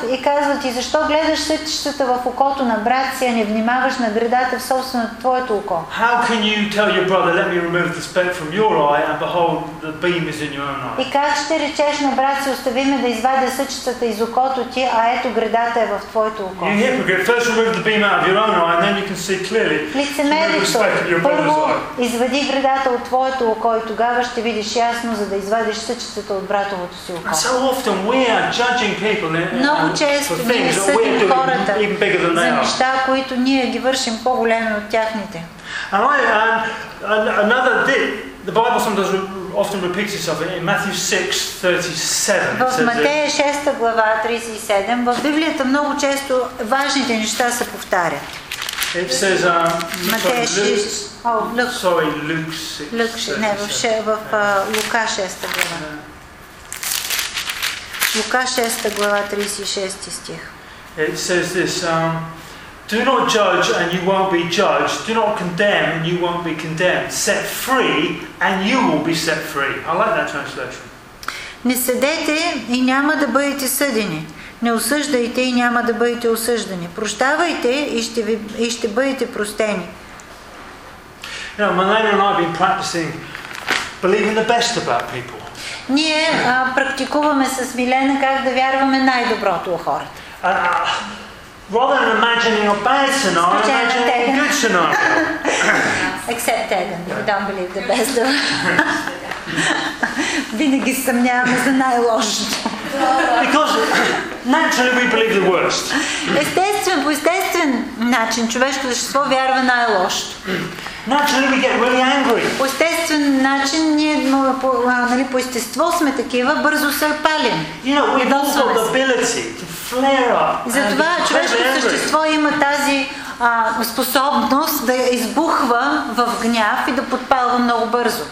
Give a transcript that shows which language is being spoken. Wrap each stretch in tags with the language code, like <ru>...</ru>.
<bg>И казват: и защо гледаш сетищата в окото на брат си, а не внимаваш на гредата в собственото твоето око?</bg> <en>How can you tell your brother, let me remove the speck from your eye, and behold, the beam is in your own eye.</en> <bg>И как ще речеш на брат си, остави ме да извадя съчетата из окото ти, а ето гредата е в твоето око.</bg> <en>You hypocrite, first remove the beam out of your own eye, and then you can see clearly.</en> <bg>Лицемерието, първо извади гредата от твоето око и тогава ще видиш ясно, за да извадиш съчетата от братовото си око.</bg> <en>So often we are judging people.</en> <bg>Много често ние съдим хората за неща, които ние ги вършим по-големи от тяхните.</bg> <en>Another dip. The Bible sometimes often repeats itself in Matthew 6:37.</en> <bg>В Матея 6 глава 37 в Библията много често важните неща се повтарят.</bg> <en>It says Matthew 6. Luke 6.</en> <bg>Не, в Лука 6 глава. Лука 6 глава 36 стих.</bg> <en>It says this Do not judge and you won't be judged. Do not condemn and you won't be condemned. Set free and you will be set free. I like that translation.</en> <bg>Не съдете и няма да бъдете съдени. Не осъждайте и няма да бъдете осъждани. Прощавайте и ще бъдете простени.</bg> <en>You know, Melania and I have been practicing believing the best about people.</en> <bg>Ние практикуваме с Милена как да вярваме най-доброто у хората.</bg> <en>Rather than imagining a bad scenario, imagine a good scenario. Except Tegan, we don't believe the best of</en> <bg>Винаги съмняваме за най-лошото.</bg> <en>Because naturally we believe the worst.</en> <bg>Естествено, по естествен начин, човешкото същество вярва най-лошото.</bg> <en>Naturally we get really angry.</en> <bg>По естествен начин, ние по естество сме такива, бързо се палим.</bg> <en>You know, we've got the ability to flare up.</en> <bg>Затова човешкото същество има тази способност да избухва в гняв и да подпалва много бързо.</bg>